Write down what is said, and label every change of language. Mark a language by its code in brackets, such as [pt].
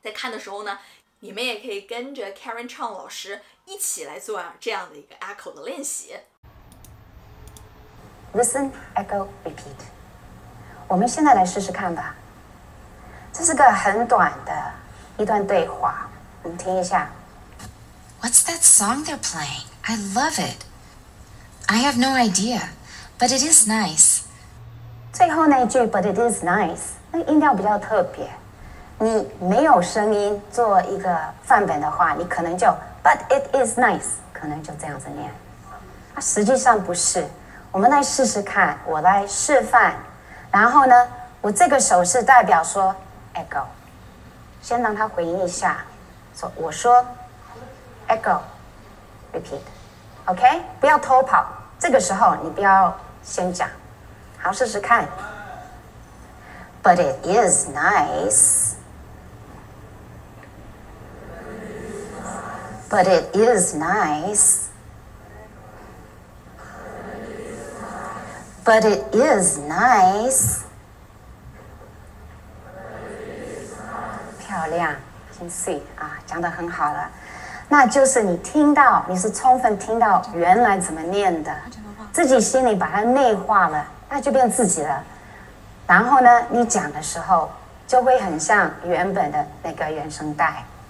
[zh] 在看的时候呢，你们也可以跟着 Karen Chang 老师一起来做这样的一个 echo 的练习。 [en] Listen, echo, repeat。 [zh] 我们现在来试试看吧，这是个很短的一段对话，你听一下。 [en] What's that song they're playing? I love it. I have no idea, but it is nice. [zh] 最后那句 [en] but it is nice [zh] 那音调比较特别，你没有声音做一个范本的话，你可能就 but it is nice 可能就这样子念，它实际上不是。我们来试试看，我来示范，然后呢，我这个手势代表说 echo， 先让他回应一下，说我说 [en] echo repeat， [zh] OK， 不要偷跑，这个时候你不要先讲，好，试试看。 [en] But it is nice， but it is nice，But it is nice. [zh] 漂亮，请 see 啊，讲得很好了。那就是你听到，你是充分听到原来怎么念的，自己心里把它内化了，那就变自己了。然后呢，你讲的时候就会很像原本的那个原声带。